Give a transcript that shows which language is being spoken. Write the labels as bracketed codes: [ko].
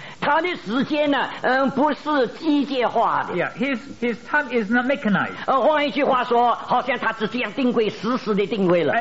[zh] 他的时间呢，不是机械化的。 [en] Yeah, his time is not mechanized. [zh] 换一句话说，好像他是这样定规，实时的定规了。